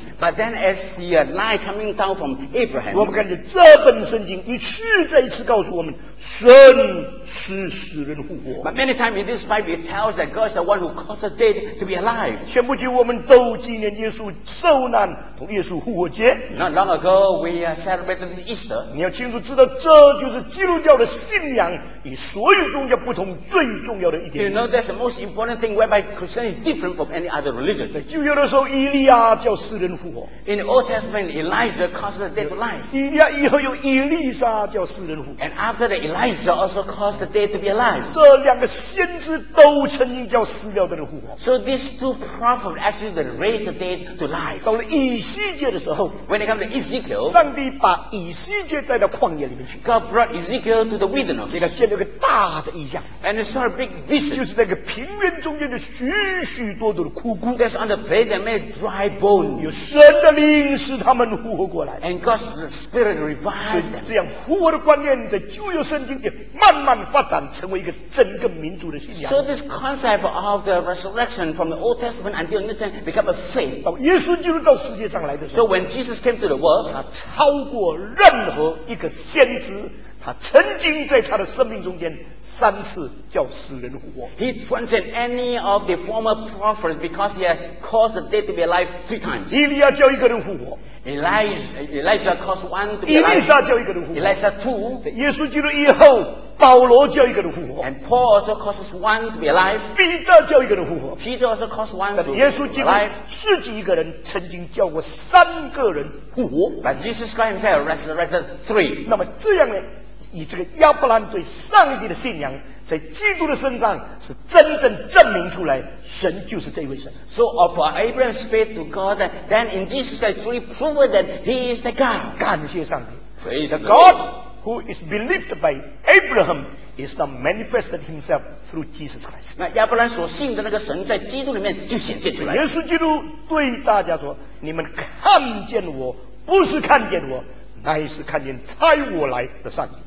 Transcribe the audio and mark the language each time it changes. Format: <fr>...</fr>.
<en>But then as the light coming down from Abraham,</en> <zh>我们看见这本圣经一次再一次告诉我们，神使死人复活。</zh> <en>But many times in this Bible, it tells that God is the one who caused the dead to be alive.</en> <zh>前不久我们都纪念耶稣受难同耶稣复活节。</zh> <en>Not long ago, we celebrated Easter.</en> <zh>你要清楚知道，这就是基督教的信仰与所有宗教不同最重要的一点。</zh> <en>You know, that's the most important thing whereby Christianity is different from any other religion.</en> <zh>在旧约的时候，以利亚叫死人复活。</zh> <en>In Old Testament, Elijah caused the dead to life.</en> <zh>以利亚以后又以利沙叫死人复活。</zh> <en>And after that, Elijah also caused the dead to be alive.</en> <zh>这两个先知都曾经叫死掉的人复活。</zh> <en>So these two prophets actually raised the dead to life.</en> <zh>到了以西结的时候</zh> <en>，When it comes to Ezekiel,</en> <zh>上帝把以西结带到旷野里面去。</zh> <en>God brought Ezekiel to the wilderness.</en> <zh>给他建了个大的异象。</zh> <en>And he saw a big vision.</en> <zh>就是那个平原中间的许许多多的枯骨。</zh> <en>That's on the bed that made dry bone.</en> <zh>有神的灵使他们复活过来。</zh> <en>And God's spirit revived them.</en> <zh>这样复活的观念在旧约圣经里慢慢发展成为一个整个民族的信仰。</zh> <en>So this concept of the resurrection from the Old Testament until New Testament become a faith.</en> <zh>到耶稣基督到世界上来的时候。</zh> <en>So when Jesus came to the world,</en> <zh>他超过任何一个先知，他曾经在他的生命中间三次叫死人复活。</zh> <en>He transcended any of the former prophets because he had caused the dead to be alive three times.</en> <zh>以利亚叫一个人复活。</zh> <en>Elijah caused one to be alive.</en> <zh>以利沙叫一个人复活。</zh> <en>Elijah two.</en> <zh>在耶稣基督以后，保罗叫一个人复活。</zh> <en>And Paul also causes one to be alive.</en> <zh>彼得叫一个人复活。</zh> <en>Peter also caused one to be alive.</en> <zh>但是耶稣基督自己一个人曾经叫过三个人复活。</zh> <en>But Jesus Christ himself resurrected three.</en> <zh>那么这样呢，以这个亚伯兰对上帝的信仰在基督的身上是真正证明出来，神就是这位神。</zh> <en>So of Abraham's faith to God, then in Jesus Christ truly proved that he is the God.</en> <zh>感谢上帝。</zh> <en>Praise the God who is believed by Abraham is now manifested himself through Jesus Christ.</en> <zh>那亚伯兰所信的那个神在基督里面就显现出来。耶稣基督对大家说，你们看见我，不是看见我，乃是看见差我来的上帝。</zh>